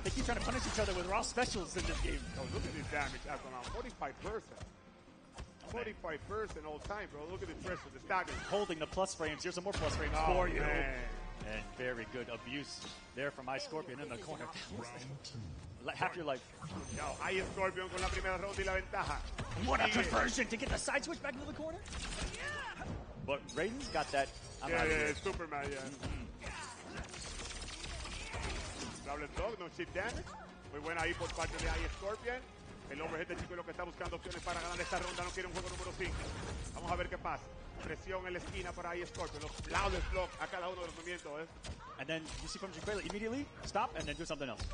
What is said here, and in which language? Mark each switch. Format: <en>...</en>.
<en>They keep trying to punish each other with raw specials in this game. Oh, look at this damage. I don't know. 45%. 45% all time, bro. Look at the pressure, the stagger. Holding the plus frames. Here's some more plus frames for you. And very good abuse there from ISCORPION in the corner. Half your life.</en> <es>Now, ISCORPION con la primera ronda y la ventaja.</es> <en>What a conversion to get the side switch back into the corner. But Raiden's got that. Yeah, Superman, yeah. Double dog, no chip damage.</en> <es>Muy buena ahí por parte de ISCORPION. El overhead de Chicuelo que está buscando opciones para ganar esta ronda no quiere un juego número 5. Vamos a ver qué pasa. Presión en la esquina para ISCORPION. Los loudest block a cada uno de los movimientos, eh.</es> <en>And then you see from Chicuelo immediately stop and then do something else.</en>